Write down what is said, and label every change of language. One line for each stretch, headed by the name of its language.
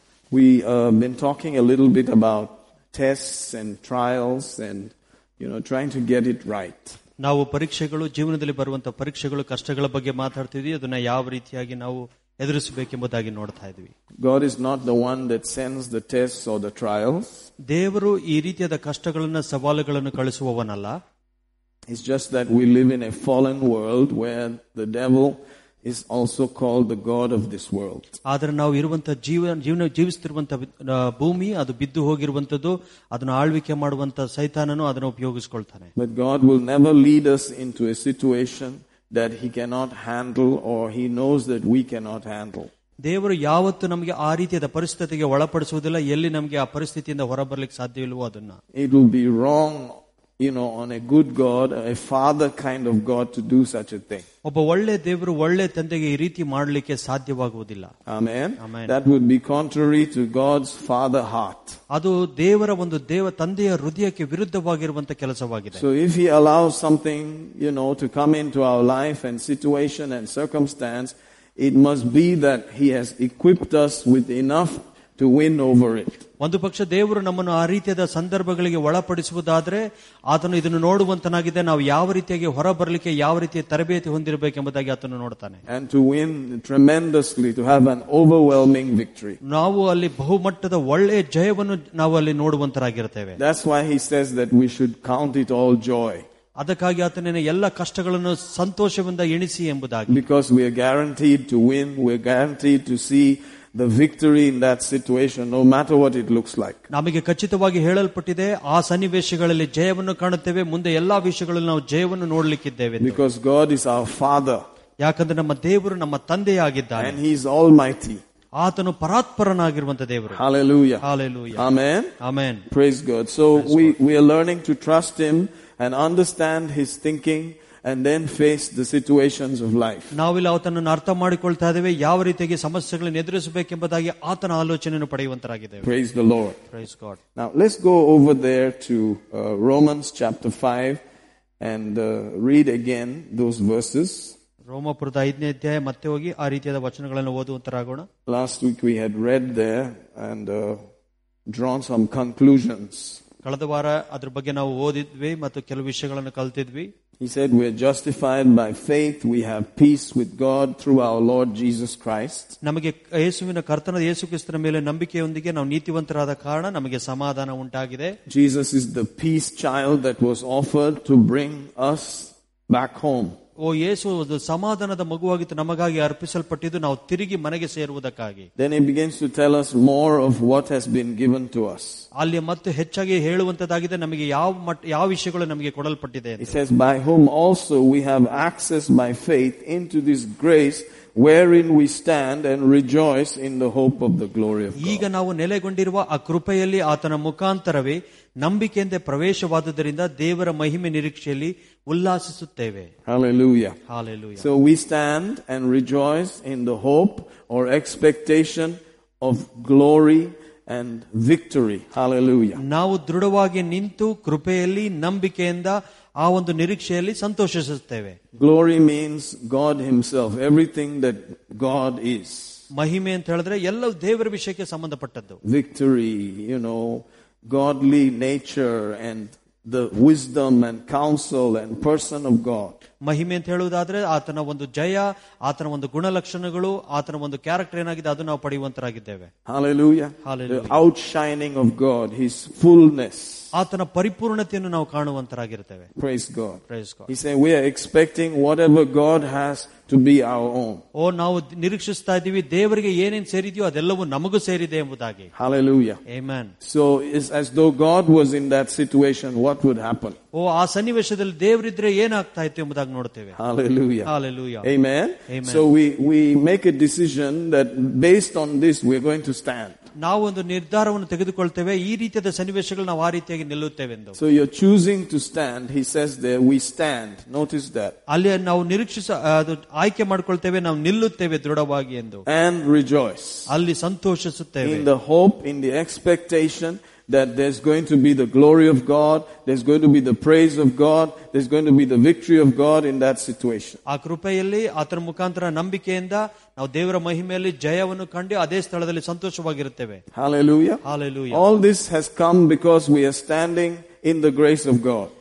English: We've been talking a little bit about tests and trials and, you know, trying to get it right.
Kannada: ನಾವು ಪರೀಕ್ಷೆಗಳು ಜೀವನದಲ್ಲಿ ಬರುವಂತಹ ಪರೀಕ್ಷೆಗಳು ಕಷ್ಟಗಳ ಬಗ್ಗೆ ಮಾತಾಡ್ತಿದ್ವಿ ಅದನ್ನ ಯಾವ ರೀತಿಯಾಗಿ ನಾವು ಎದುರಿಸಬೇಕೆಂಬುದಾಗಿ ನೋಡ್ತಾ ಇದ್ವಿ.
English: God is not the one that sends the tests or the trials.
Kannada: ದೇವರು ಈ ರೀತಿಯಾದ ಕಷ್ಟಗಳನ್ನ ಸವಾಲುಗಳನ್ನು ಕಳಿಸುವವನಲ್ಲ.
English: It's just that we live in a fallen world where the devil is also called the god of this world.
Kannada: ಆದರೆ ನಾವು ಇರುವಂತ ಜೀವನ ಜೀವಿಸುತ್ತಿರುವಂತ ಭೂಮಿ ಅದು ಬಿದ್ದು ಹೋಗಿರುವಂತದ್ದು ಅದನ್ನು ಆಳ್ವಿಕೆ ಮಾಡುವಂತ ಸೈತಾನನು ಅದನ್ನು ಉಪಯೋಗಿಸಿಕೊಳ್ತಾನೆ.
English: But God will never lead us into a situation that he cannot handle or he knows that we cannot handle.
Kannada: ದೇವರು ಯಾವತ್ತು ನಮಗೆ ಆ ರೀತಿಯಾದ ಪರಿಸ್ಥಿತಿಗೆ ಒಳಪಡಿಸುವುದಿಲ್ಲ. ಎಲ್ಲಿ ನಮಗೆ ಆ ಪರಿಸ್ಥಿತಿಯಿಂದ ಹೊರಬರಲಿಕ್ಕೆ ಸಾಧ್ಯವಿಲ್ಲವೋ ಅದನ್ನ.
English: It will be wrong, you know, on a good God, a father kind of God, to do such a thing.
Kannada: ಒಬ್ಬ ಒಳ್ಳೆ ದೇವರು ಒಳ್ಳೆ ತಂದೆಗೆ ಈ ರೀತಿ ಮಾಡಲಿಕ್ಕೆ ಸಾಧ್ಯವಾಗುವುದಿಲ್ಲ.
English: Amen. That would be contrary to God's father heart.
Kannada: ಅದು ದೇವರ ಒಂದು ದೇವ ತಂದೆಯ ಹೃದಯಕ್ಕೆ ವಿರುದ್ಧವಾಗಿರುವಂತಹ ಕೆಲಸವಾಗಿದೆ.
English: So if he allows something, you know, to come into our life and situation and circumstance, it must be that he has equipped us with enough to win over it.
Kannada: ಒಂದು ಪಕ್ಷ ದೇವರು ನಮ್ಮನ್ನು ಆ ರೀತಿಯಾದ ಸಂದರ್ಭಗಳಿಗೆ ಒಳಪಡಿಸುವುದಾದ್ರೆ ಆತನು ಇದನ್ನು ನೋಡುವಂತನಾಗಿದೆ. ನಾವು ಯಾವ ರೀತಿಯಾಗಿ ಹೊರಬರಲಿಕ್ಕೆ ಯಾವ ರೀತಿಯ ತರಬೇತಿ ಹೊಂದಿರಬೇಕೆಂಬುದಾಗಿ ಆತನು ನೋಡ್ತಾನೆ.
English: And to win tremendously, to have an overwhelming victory.
Kannada: ನಾವು ಅಲ್ಲಿ ಬಹುಮಟ್ಟದ ಒಳ್ಳೆ ಜಯವನ್ನು ನಾವು ಅಲ್ಲಿ ನೋಡುವಂತರಾಗಿರುತ್ತೇವೆ.
English: That's why he says that we should count it all joy.
Kannada: ಅದಕ್ಕಾಗಿ ಆತನ ಎಲ್ಲ ಕಷ್ಟಗಳನ್ನು ಸಂತೋಷದಿಂದ ಎಣಿಸಿ ಎಂಬುದಾಗಿ.
English: Because we are guaranteed to win, we are guaranteed to see the victory in that situation, no matter what it looks like.
Kannada: ನಮಗೆ ಖಚಿತವಾಗಿ ಹೇಳಲ್ಪಟ್ಟಿದೆ, ಆ ಸನ್ನಿವೇಶಗಳಲ್ಲಿ ಜಯವನ್ನು ಕಾಣುತ್ತೇವೆ, ಮುಂದೆ ಎಲ್ಲಾ ವಿಷಯಗಳಲ್ಲಿ ನಾವು ಜಯವನ್ನು ನೋಡಲಿಕ್ಕಿದ್ದೇವೆ.
English: Because God is our father.
Kannada: ಯಾಕಂದ್ರೆ ನಮ್ಮ ದೇವರು ನಮ್ಮ ತಂದೆಯಾಗಿದ್ದಾನೆ.
English: And he is almighty.
Kannada: ಆತನು ಪರಾತ್ಪರನಾಗಿರುವಂತ ದೇವರು.
English: Hallelujah. Hallelujah. Amen. Amen. Praise God. So we are learning to trust him and understand his thinking and then face the situations of life.
Kannada: ನಾವಿಲ್ಲಿ ಆತನನ್ನು ಅರ್ಥ ಮಾಡಿಕೊಳ್ತಾ ಇದ್ದೇವೆ, ಯಾವ ರೀತಿಯಾಗಿ ಸಮಸ್ಯೆಗಳನ್ನು ಎದುರಿಸಬೇಕೆಂಬುದಾಗಿ ಆತನ ಆಲೋಚನೆಯನ್ನು ಪಡೆಯುವಂತರಾಗಿದ್ದೇವೆ.
English: Praise the Lord. Praise God. Now let's go over there to Romans chapter 5 and read again those verses.
Kannada: ರೋಮಾಪುರದ 5ನೇ ಅಧ್ಯಾಯ ಮತ್ತೆ ಹೋಗಿ ಆ ರೀತಿಯಾದ ವಚನಗಳನ್ನು ಓದುವಂತರಾಗೋಣ.
English: Last week we had read there and drawn some conclusions.
Kannada: ಕಳೆದ ವಾರ ಅದರ ಬಗ್ಗೆ ನಾವು ಓದಿದ್ವಿ ಮತ್ತು ಕೆಲವು ವಿಷಯಗಳನ್ನು ಕಲಿತಿದ್ವಿ.
English: He said we are justified by faith, we have peace with God through our Lord Jesus Christ.
Kannada: ನಮಗೆ ಯೇಸುವಿನ ಕರ್ತನ ಯೇಸುಕ್ರಿಸ್ತನ ಮೇಲೆ ನಂಬಿಕೆಯೊಂದಿಗೆ ನಾವು ನೀತಿವಂತರಾದ ಕಾರಣ ನಮಗೆ ಸಮಾಧಾನ ಉಂಟಾಗಿದೆ.
English: Jesus is the peace child that was offered to bring us back home.
Kannada: ಓ ಯೇಸು ಒಂದು ಸಮಾಧಾನದ ಮಗುವಾಗಿತ್ತು ನಮಗಾಗಿ ಅರ್ಪಿಸಲ್ಪಟ್ಟಿದ್ದು ನಾವು ತಿರುಗಿ ಮನೆಗೆ ಸೇರುವುದಕ್ಕಾಗಿ.
English: Then he begins to tell us more of what has been given to us.
Kannada: ಅಲ್ಲಿ ಮತ್ತೆ ಹೆಚ್ಚಾಗಿ ಹೇಳುವಂತದಾಗಿದೆ ನಮಗೆ ಯಾವ ವಿಷಯಗಳು ನಮಗೆ ಕೊಡಲ್ಪಟ್ಟಿದೆ.
English: He says by whom also we have access by faith into this grace wherein we stand and rejoice in the hope of the glory of God.
Kannada: ಈಗ ನಾವು ನೆಲೆಗೊಂಡಿರುವ ಆ ಕೃಪೆಯಲ್ಲಿ ಆತನ ಮುಖಾಂತರವೇ ನಂಬಿಕೆಯಿಂದ ಪ್ರವೇಶವಾದದರಿಂದ ದೇವರ ಮಹಿಮೆ ನಿರೀಕ್ಷೆಯಲ್ಲಿ ಉಲ್ಲಾಸಿಸುತ್ತೇವೆ.
English: Hallelujah. Hallelujah. So we stand and rejoice in the hope or expectation of glory and victory. Hallelujah.
Kannada: ನಾವು ದೃಢವಾಗಿ ನಿಂತು ಕೃಪೆಯಲ್ಲಿ ನಂಬಿಕೆಯಿಂದ ಆ ಒಂದು ನಿರೀಕ್ಷೆಯಲ್ಲಿ ಸಂತೋಷಿಸುತ್ತೇವೆ.
English: Glory means God himself, everything that God is.
Kannada: ಮಹಿಮೆ ಅಂತ ಹೇಳಿದ್ರೆ ಎಲ್ಲವೂ ದೇವರ ವಿಷಯಕ್ಕೆ ಸಂಬಂಧಪಟ್ಟದ್ದು.
English: Victory, you know, godly nature and the wisdom and counsel and person of God.
Kannada: ಮಹಿಮೆ ಅಂತ ಹೇಳುವುದಾದ್ರೆ ಆತನ ಒಂದು ಜಯ, ಆತನ ಒಂದು ಗುಣಲಕ್ಷಣಗಳು, ಆತನ ಒಂದು ಕ್ಯಾರೆಕ್ಟರ್ ಏನಾಗಿದೆ ಅದು ನಾವು ಪಡೆಯುವಂತರಾಗಿದ್ದೇವೆ.
English: Hallelujah. Hallelujah. Outshining of God, his fullness.
Kannada: ಆತನ ಪರಿಪೂರ್ಣತೆಯನ್ನು ನಾವು ಕಾಣುವಂತರಾಗಿರುತ್ತೇವೆ.
English: Praise God. Praise God. He said we are expecting whatever God has to be our own.
Kannada: ಓ ನಾವು ನಿರೀಕ್ಷಿಸ್ತಾ ಇದ್ದೀವಿ ದೇವರಿಗೆ ಏನೇನು ಸೇರಿದೆಯೋ ಅದೆಲ್ಲವೂ ನಮಗೂ ಸೇರಿದೆ ಎಂಬುದಾಗಿ.
English: Hallelujah. Amen. So it's as though God was in that situation, what would happen?
Kannada: ಓ ಆ ಸನ್ನಿವೇಶದಲ್ಲಿ ದೇವರಿದ್ರೆ ಏನಾಗ್ತಾ ಇತ್ತು ಎಂಬುದಾಗಿ ನೋಡುತ್ತೇವೆ.
English: Hallelujah. Hallelujah. Amen. Amen. So we make a decision that based on this we are going to stand.
Kannada: ನಾವು ಒಂದು ನಿರ್ಧಾರವನ್ನು ತೆಗೆದುಕೊಳ್ತೇವೆ, ಈ ರೀತಿಯಾದ ಸನ್ನಿವೇಶಗಳು ನಾವು ಆ ರೀತಿಯಾಗಿ ನಿಲ್ಲುತ್ತೇವೆ.
English: So you are choosing to stand, he says there, we stand. Notice that.
Kannada: ಅಲ್ಲಿ ನಾವು ನಿರೀಕ್ಷಿಸ ಆಯ್ಕೆ ಮಾಡಿಕೊಳ್ತೇವೆ, ನಾವು ನಿಲ್ಲುತ್ತೇವೆ ದೃಢವಾಗಿ ಎಂದು.
English: And rejoice.
Kannada: ಅಲ್ಲಿ ಸಂತೋಷಿಸುತ್ತೇವೆ.
English: In the hope, in the expectation that there's going to be the glory of God, there's going to be the praise of God, there's going to be the victory of God in that situation.
Kannada: ಆ ಕೃಪೆಯಲ್ಲಿ ಆತನ ಮುಖಾಂತರ ನಂಬಿಕೆಯಿಂದ ನಾವು ದೇವರ ಮಹಿಮೆಯಲ್ಲಿ ಜಯವನ್ನು ಕಂಡು ಅದೇ ಸ್ಥಳದಲ್ಲಿ ಸಂತೋಷವಾಗಿರುತ್ತೇವೆ.
English: Hallelujah. Hallelujah. All this has come because we are standing in the grace of God.